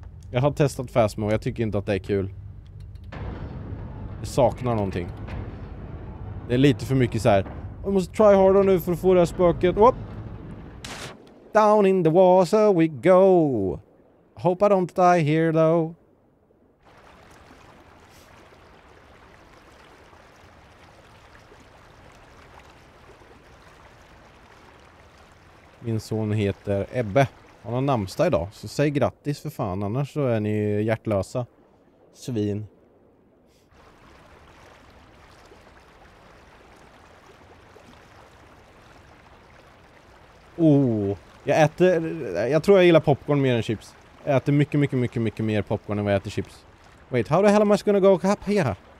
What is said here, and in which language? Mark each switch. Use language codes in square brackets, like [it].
[sv] Jag har testat Phasmo och jag tycker inte att det är kul. Jag saknar någonting. Det är lite för mycket så här. Jag måste [en] try harder [sv] nu för att få det här spöket. Whoop. [en] Down in the water we go. Hope I don't die here though. [sv] Min son heter Ebbe. Han har namnsdag idag. Så säg grattis för fan. Annars så är ni hjärtlösa. Svin. Oh. Jag äter... Jag tror jag gillar popcorn mer än chips. Jag äter mycket, mycket, mycket, mycket mer popcorn än vad jag äter chips. [en] Wait, how the hell am I gonna go up here?